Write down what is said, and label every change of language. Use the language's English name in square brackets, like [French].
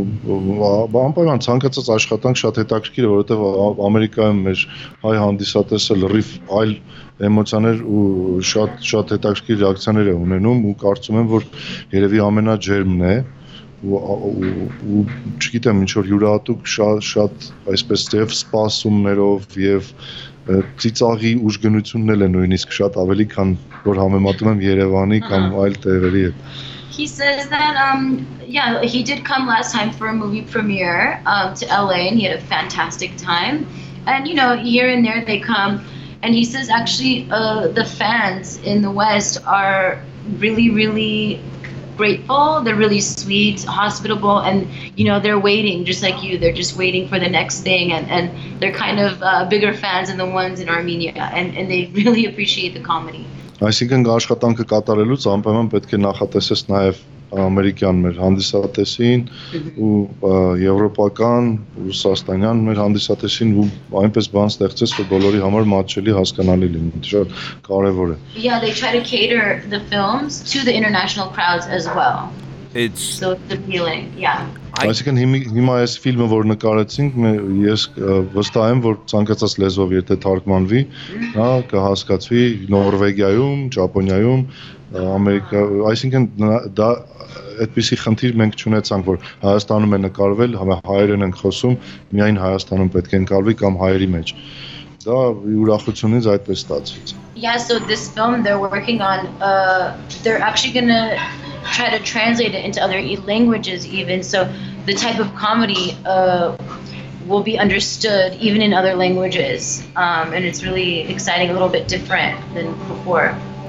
[Armenian] անպայման ցանկացած աշխատանք շատ հետաքրքիր է, որովհետև Ամերիկայում մեր հայ հանդիսատեսը լրիվ այլ էմոցիաներ ու շատ շատ հետաքրքիր ռեակցիաներ է ունենում, ու կարծում եմ, որ երևի ամենաջերմն է, ու չգիտեմ, ինչ-որ յուրահատուկ շատ այսպես ձև սպասումներով և ծիծաղի ուժգնությունն էլ է նույնիսկ շատ ավելի, քան որ համեմատում եմ Երևանի կամ այլ տեղերի հետ։ [English] He says that he did come last time for a movie premiere to LA, and he had a fantastic time. And you know, here and there they come, and he says actually the fans in the West are really, really grateful. They're really sweet, hospitable, and you know, they're waiting just like you. They're just waiting for the next thing, and they're kind of bigger fans than the ones in Armenia, and they really appreciate the comedy. [Armenian] Այսինքն աշխատանքը կատարելուց անպայման պետք է նախատեսես նաև ամերիկյան մեր հանդիսատեսին ու եվրոպական, ռուսաստանյան մեր հանդիսատեսին, ու այնպես բան ստեղծես, որ բոլորի համար մատչելի, հասկանալի լինի, դա շատ կարևոր է։ [English] Yeah, they try to cater the films to the international crowds as well. It's so appealing. Yeah. [Armenian] Այսինքն հիմա այս ֆիլմը, որ նկարեցինք, ես վստահ եմ, որ ցանկացած լեզվով եթե թարգմանվի, հա, կհասկացվի Նորվեգիայում, Ճապոնիայում, Ամերիկա, այսինքն դա այդպիսի խնդիր մենք չունեցանք, որ Հայաստանում է նկարվել, հայերեն են խոսում, միայն Հայաստանում պետք է նկարվի կամ հայերի մեջ։ Դա ուրախությունից այդպես ստացվեց։ [English] Yeah, so this film they're working on, they're actually going to try to translate it into other languages even, so the type of comedy will be understood even in other languages, and it's really exciting, a little bit different than before.